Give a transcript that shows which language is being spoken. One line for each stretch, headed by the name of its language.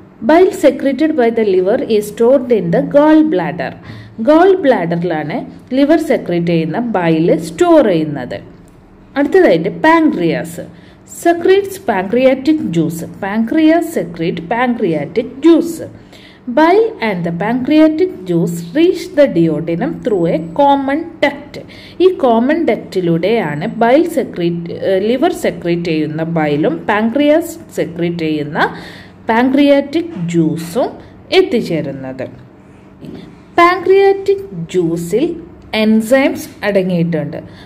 English: Bile secreted by the liver is stored in the gall bladder.
Malayalam: Goal ബ്ലാഡറിലാണ് liver secrete ചെയ്യുന്ന bile store ചെയ്യുന്നത്.
English: അടുത്തതായിട്ട് pancreas secretes pancreatic juice. Pancreas secrete pancreatic juice. Bile and the pancreatic juice reach the duodenum through a common duct.
Malayalam: ഈ common ഡക്റ്റിലൂടെയാണ് bile secrete liver secrete ചെയ്യുന്ന ബൈലും pancreas secrete ചെയ്യുന്ന pancreatic ജ്യൂസും എത്തിച്ചേരുന്നത്. Pancreatic ജ്യൂസിൽ enzymes അടങ്ങിയിട്ടുണ്ട്.